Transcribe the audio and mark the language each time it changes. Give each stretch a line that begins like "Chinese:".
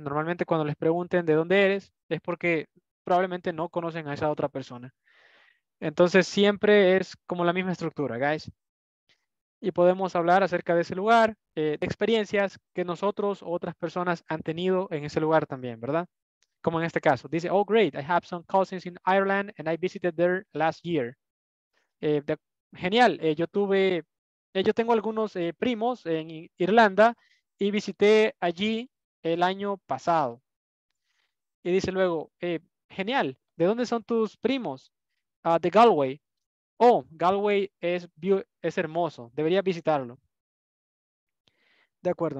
Spanish: Normalmente cuando les pregunten de dónde eres, es porque probablemente no conocen a esa otra persona. Entonces siempre es como la misma estructura, guys. Y podemos hablar acerca de ese lugar, de experiencias que nosotros o otras personas han tenido en ese lugar también, ¿verdad? Como en este caso. Dice,
English: oh, great, I have some cousins in Ireland and I visited there last year.
Spanish: Genial, yo tengo algunos primos en Irlanda y visité allí el año pasado. Y dice luego, genial, ¿de dónde son tus primos? De Galway. Oh, Galway es hermoso. Debería visitarlo. De acuerdo.